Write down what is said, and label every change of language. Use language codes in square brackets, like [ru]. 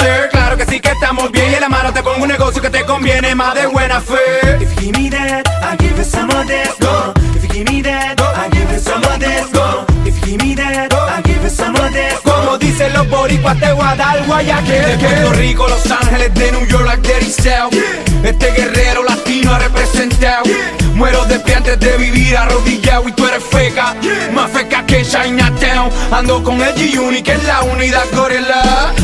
[es] Claro que sí que estamos bien. Y en la mano te pongo un negocio que te conviene más de buena fe. [en] If you give me that, I'll give you some of this. Go. If you give me that, go. I'll give you some of this. Go. If you give me that, go. I'll give you some of this. Go. [es] Como dicen los boricuas, te voy a dar Guayaquil. De Puerto Rico, Los Ángeles, de New York, like Daddy South. Yeah. Este guerrero latino ha representado. Yeah. Muero de pie antes de vivir arrodillado. Y tú eres feca, yeah. Más feca que Chinatown. Ando con el G-Uni, que es la unidad gorila.